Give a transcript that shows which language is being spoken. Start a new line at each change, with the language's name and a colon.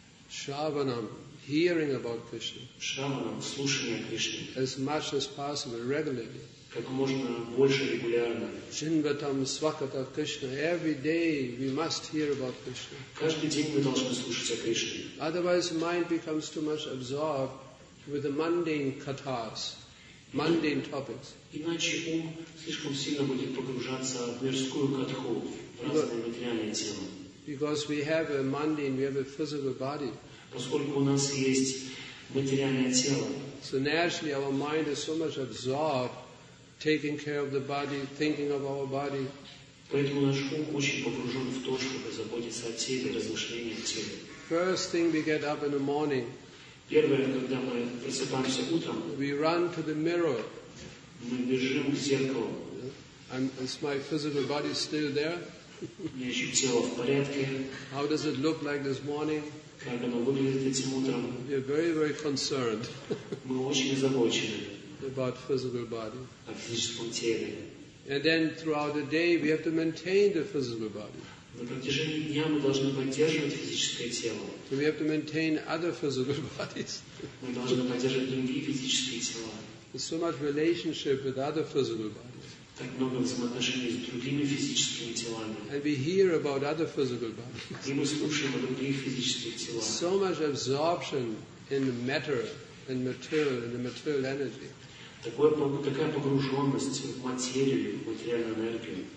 English: Shravanam, hearing about Krishna.
Russian: Shravanam, слушание Кришны.
English: As much as possible, regularly.
Russian: Как можно больше регулярно.
Sanskrit: Чингатам свакатав Кришна.
English: Every day we must hear about Krishna.
Russian: Каждый день мы должны слушать о Кришне.
English: Otherwise mind becomes too much absorbed with the mundane kathas, mundane topics.
Russian: Иначе ум слишком сильно будет погружаться в мирскую катху, в разные материальные темы.
English: Because we have a mundane, we have a physical body.
Russian: Поскольку у нас есть материальное тело.
English: So naturally our mind is so much absorbed taking care of the body, thinking of our body.
Russian: Поэтому наш ум очень погружен в то, чтобы заботиться о теле, размышления о теле.
English: First thing we get up in the morning.
Russian: Первое, когда мы просыпаемся утром.
English: We run to the mirror.
Russian: Мы бежим к зеркалу.
English: Is my physical body still there?
Russian: Мне еще тело в порядке.
English: How does it look like this morning?
Russian: Как оно выглядит этим утром?
English: We are very, very concerned.
Russian: Мы очень озабочены.
English: About physical body.
Russian: О физическом теле.
English: And then throughout the day we have to maintain the physical body.
Russian: На протяжении дня мы должны поддерживать физическое тело.
English: So we have to maintain other physical bodies.
Russian: Мы должны поддерживать другие физические тела.
English: There's so much relationship with other physical bodies.
Russian: Так много взаимоотношений с другими физическими телами.
English: And we hear about other physical bodies.
Russian: И мы слушаем о других физических телах.
English: So much absorption in the matter. And material, and the material energy.
Russian: Такая погруженность в материю, в материальную энергию.